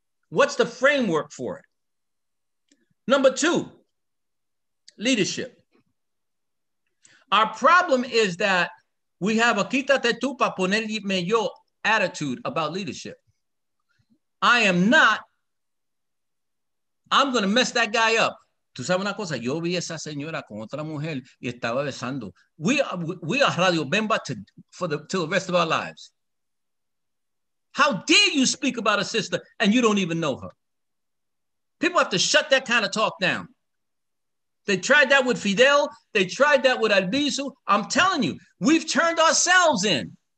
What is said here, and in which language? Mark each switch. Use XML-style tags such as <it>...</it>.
<en>What's the framework for it? Number two, leadership. Our problem is that we have a</en> <es>quítate tú pa ponerme yo</es> <en>attitude about leadership. I am not, I'm going to mess that guy up.</en> <es>Tú sabes una cosa, yo vi esa señora con otra mujer y estaba besando.</es> <en>We are Radio Bemba till the rest of our lives. How dare you speak about a sister and you don't even know her? People have to shut that kind of talk down. They tried that with Fidel. They tried that with Albizu. I'm telling you, we've turned ourselves in.</en>